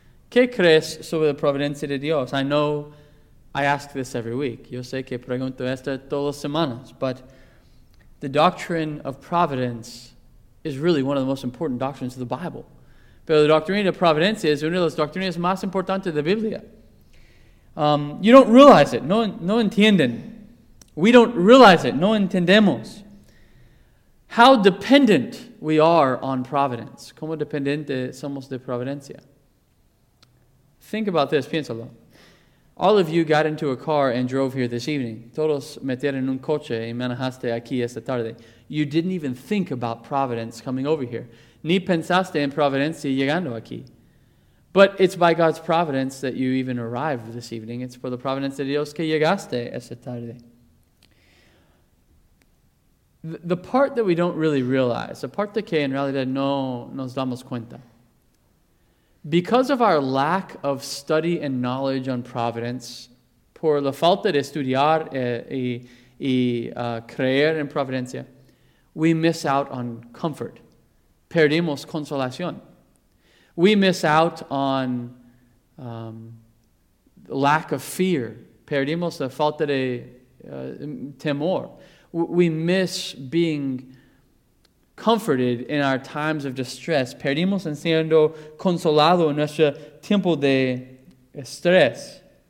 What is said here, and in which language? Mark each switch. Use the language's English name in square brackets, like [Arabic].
[Spanish] ¿Qué crees sobre la providencia de Dios? [English] I know I ask this every week. [Spanish] Yo sé que pregunto esta todas las semanas. [English] But the doctrine of providence is really one of the most important doctrines of the Bible. [Spanish] Pero la doctrina de providencia es una de las doctrinas más importantes de la Biblia. [English] You don't realize it. [Spanish] No entienden. [English] We don't realize it. [Spanish] No entendemos. [English] How dependent we are on providence. [Spanish] ¿Cómo dependiente somos de providencia? [English] Think about this. [Spanish] Piénsalo. [English] All of you got into a car and drove here this evening. [Spanish] Todos metieron un coche y manejaste aquí esta tarde. [English] You didn't even think about providence coming over here. [Spanish] Ni pensaste en providencia llegando aquí. [English] But it's by God's providence that you even arrived this evening. It's for the providence of Dios [Spanish] que llegaste esta tarde. [English] The part that we don't really realize, the part [Spanish] que en realidad no nos damos cuenta, [English] because of our lack of study and knowledge on providence, [Spanish] por la falta de estudiar creer en providencia, [English] we miss out on comfort. [Spanish] Perdimos consolación. [English] We miss out on lack of fear. [Spanish] Perdimos la falta de temor. [English] We miss being comforted in our times of distress. [Spanish] Perdimos en siendo consolado en nuestro tiempo de estrés.